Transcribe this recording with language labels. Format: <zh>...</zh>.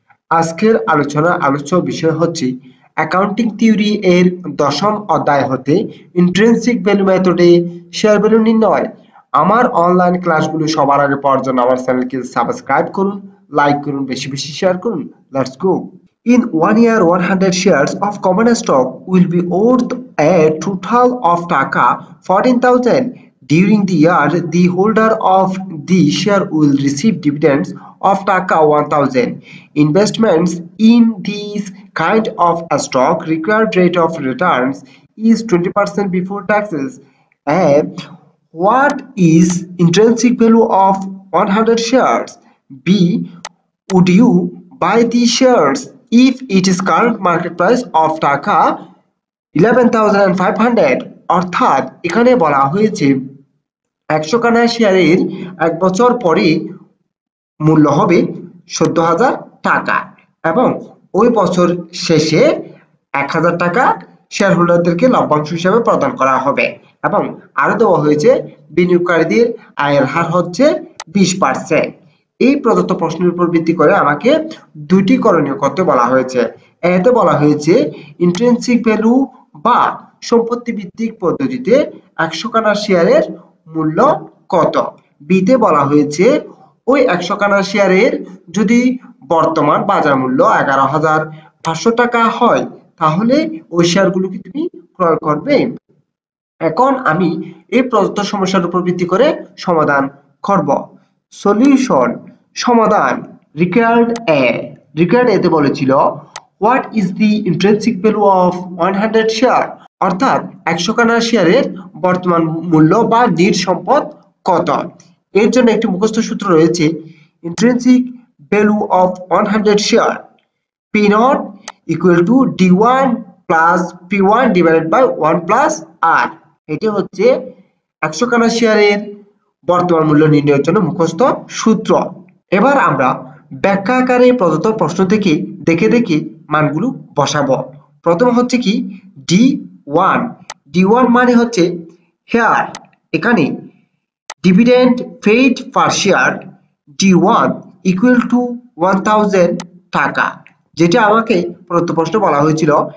<bn>আজকের আলোচনার আলোচ্য বিষয় হচ্ছে অ্যাকাউন্টিং থিওরি এর দশম অধ্যায় হতে ইন্ট্রেন্সিক ভ্যালু মেথডে শেয়ার ভ্যালু নির্ণয়। আমার অনলাইন ক্লাসগুলো সবার আগে পাওয়ার জন্য আমার চ্যানেলকে সাবস্ক্রাইব করুন, লাইক করুন, বেশি বেশি শেয়ার করুন। Let's go.</bn> <en>In one year 100 shares of common stock will be worth a total of taka 14,000. During the year, the holder of the share will receive dividends of taka 1,000. Investments in these kind of a stock required rate of returns is 20% before taxes. And what is intrinsic value of 100 shares? B. Would you buy the shares if it is current market price of taka 11,500?</en> <bn>অর্থাৎ এখানে বলা হয়েছে 100 কানা শেয়ারের এক বছর পরে মূল্য হবে 14,000 টাকা এবং ওই বছর শেষে 1,000 টাকা শেয়ার হোল্ডারদেরকে লভ্যাংশ হিসেবে প্রদান করা হবে। এবং আরো দেওয়া হয়েছে বিনিয়োগকারীদের আয়ের হার হচ্ছে 20%। এই প্রদত্ত প্রশ্নের উপর ভিত্তি করে আমাকে দুটি করণীয় করতে বলা হয়েছে। এতে বলা হয়েছে ইন্ট্রেন্সিক ভ্যালু বা সম্পত্তি ভিত্তিক পদ্ধতিতে 100 কানা শেয়ারের মূল্য কত। বিতে বলা হয়েছে ওই 100 কানা শেয়ারের যদি বর্তমান বাজার মূল্য 11,500 টাকা হয় তাহলে ওই শেয়ারগুলো কি তুমি ক্রয় করবে। এখন আমি এই প্রদত্ত সমস্যার উপর ভিত্তি করে সমাধান করব। সলিউশন, সমাধান। রিকোয়ার্ড এ, রিকোয়ার্ড এতে বলেছিল</bn> <en>What is the intrinsic value of 100 share?</en> <bn>অর্থাৎ 100 কানা শেয়ারের বর্তমান মূল্য বা নির সম্পদ কত। এর জন্য একটি মুখস্থ সূত্র রয়েছে,</bn> <en>intrinsic value of 100 share p naught equal to d1 plus p1 divided by 1 plus r।</en> <bn>এটি হচ্ছে 100 কানা শেয়ারের বর্তমান মূল্য নির্ণয়ের জন্য মুখস্থ সূত্র। এবার আমরা ব্যাখ্যা আকারে প্রদত্ত প্রশ্ন থেকে দেখে দেখে মানগুলো বসাবো। প্রথম হচ্ছে কি ডি ওয়ান। ডি ওয়ান মানে হচ্ছে হেয়ার, এখানে dividend paid per share D one equal to 1,000 টাকা, যেটা আমাকে প্রদত্ত প্রশ্নে বলা হয়েছিল।</bn>